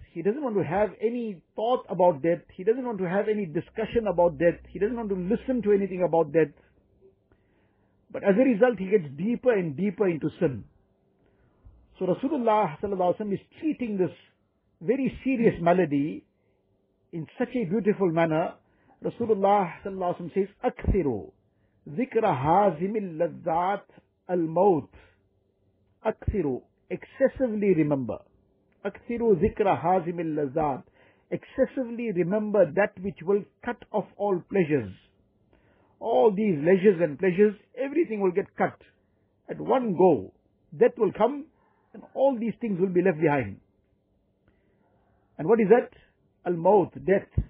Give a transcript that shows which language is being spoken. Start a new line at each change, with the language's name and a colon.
English: He doesn't want to have any thought about death. He doesn't want to have any discussion about death. He doesn't want to listen to anything about death. But as a result, he gets deeper and deeper into sin. So Rasulullah ﷺ is treating this very serious malady in such a beautiful manner. Rasulullah ﷺ says,
Arabic: أَكْثِرُوا ذِكْرَ هَازِمِ اللَّذَّاتِ الْمَوْتِ أَكْثِرُوا
English: excessively remember.
Arabic: أَكْثِرُوا ذِكْرَ هَازِمِ اللَّذَّاتِ
English: excessively remember that which will cut off all pleasures. All these leisures and pleasures, everything will get cut at one go. Death will come and all these things will be left behind. And what is that? Al-maut, death.